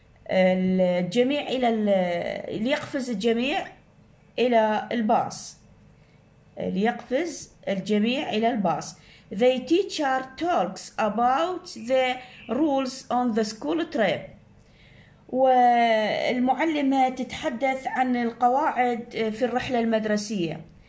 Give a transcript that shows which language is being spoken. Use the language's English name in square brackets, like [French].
[Arabic] الجميع إلى ليقفز الجميع إلى الباص. ليقفز الجميع إلى الباص. [English] The teacher talks about the rules on the school trip. [Arabic] والمعلمة تتحدث عن القواعد في الرحلة المدرسية.